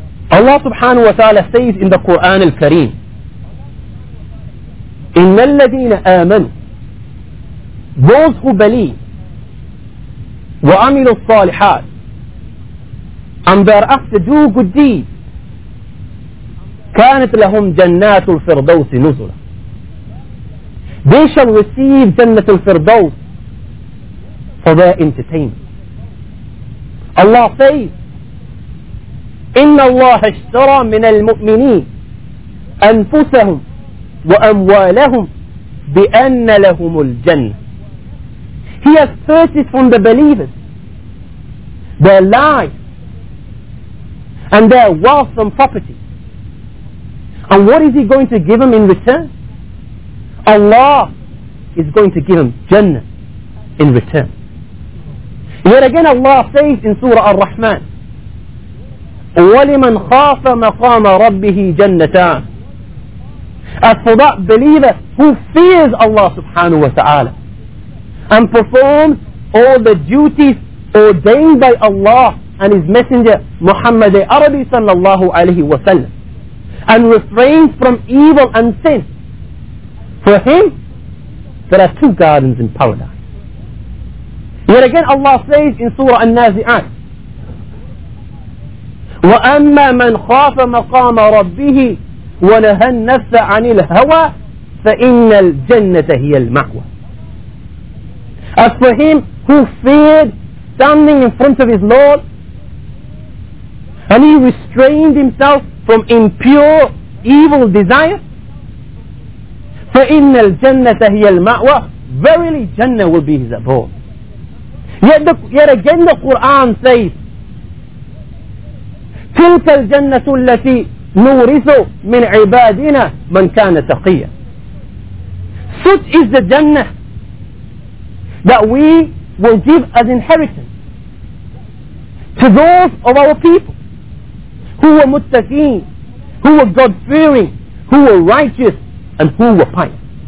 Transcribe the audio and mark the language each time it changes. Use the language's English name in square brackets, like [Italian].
[English] Allah subhanahu wa ta'ala says in the Quran al-Kareem: [Arabic] إن الذين آمنوا, [English] those who believe, [Arabic] وعملوا الصالحات, [English] and thereafter do good deeds, [Arabic] كانت لهم جنات الفردوس نزلا. [English] They shall receive جنة الفردوس for their entertainment. Allah says, [Arabic] إن الله اشترى من المؤمنين أنفسهم وأموالهم بأن لهم الجنة. [English] He has purchased from the believers their lives and their wealth and property. And what is he going to give them in return? Allah is going to give them Jannah in return. Yet again Allah says in Surah Ar-Rahman: [Arabic] وَلِمَنْ خَافَ مَقَامَ رَبِّهِ جَنَّتَانَ. [English] As for that believer who fears Allah subhanahu wa ta'ala and performs all the duties ordained by Allah and His Messenger Muhammad Arabi sallallahu alayhi wa sallam, and refrains from evil and sin, for him there are two gardens in paradise. Yet again Allah says in Surah An-Nazi'at: [Arabic] وَأَمَّا مَنْ خَافَ مَقَامَ رَبِّهِ وَنَهَى النَّفْسَ عَنِ الْهَوَى فَإِنَّ الْجَنَّةَ هِيَ الْمَأْوَى. [English] As for him who feared standing in front of his Lord, and he restrained himself from impure evil desire, [Arabic] فَإِنَّ الْجَنَّةَ هِيَ الْمَأْوَى, [English] verily Jannah will be his abode. Yet again the Quran says: [Arabic] تلك الجنة التي نورث من عبادنا من كان تقيا. [English] Such is the Jannah that we will give as inheritance to those of our people who were muttaqeen, who were God-fearing, who were righteous, and who were pious.